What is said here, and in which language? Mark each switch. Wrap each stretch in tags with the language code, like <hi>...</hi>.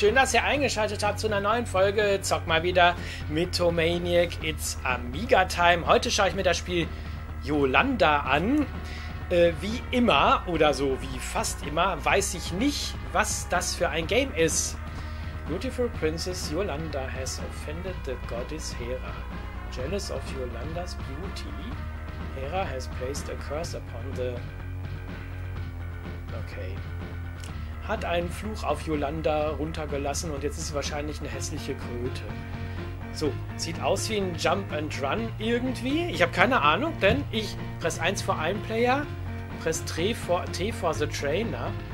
<de>Schön, dass ihr eingeschaltet habt zu einer neuen Folge. Zock mal wieder mit Tomaniac.</de> <en>It's Amiga-Time.</en> <de>Heute schaue ich mir das Spiel Yolanda an. Wie immer, oder so wie fast immer, weiß ich nicht, was das für ein Game ist.</de> <en>Beautiful Princess Yolanda has offended the goddess Hera. Jealous of Yolanda's beauty, Hera has placed a curse upon the... Okay.</en> <de>Hat einen Fluch auf Yolanda runtergelassen und jetzt ist sie wahrscheinlich eine hässliche Kröte. So, sieht aus wie ein Jump and Run irgendwie. Ich habe keine Ahnung, denn ich press 1 für einen Player,</de> <en>press T for the Trainer.</en>